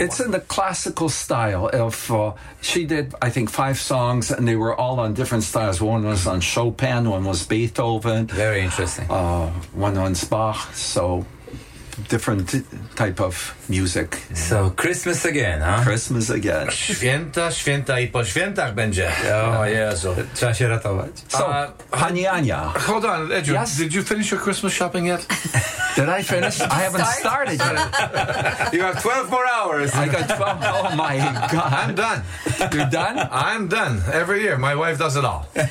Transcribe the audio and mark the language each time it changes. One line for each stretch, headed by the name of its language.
English: It's in the classical style. She did, I think, 5 songs, and they were all on different styles. One was on Chopin, one was Beethoven. Very interesting. One on Bach, so different type of music. So, Christmas again, huh? Christmas again.
Polish: Święta, święta i po świętach będzie. Oh, Jezu. Trzeba się ratować.
English: So, Pani Ania. Hold on, Edu, yes? Did you finish your Christmas shopping yet? Did I finish? I haven't started yet. You have 12 more hours. I got 12, oh my God. I'm done. You're done? I'm done. Every year, my wife does it all.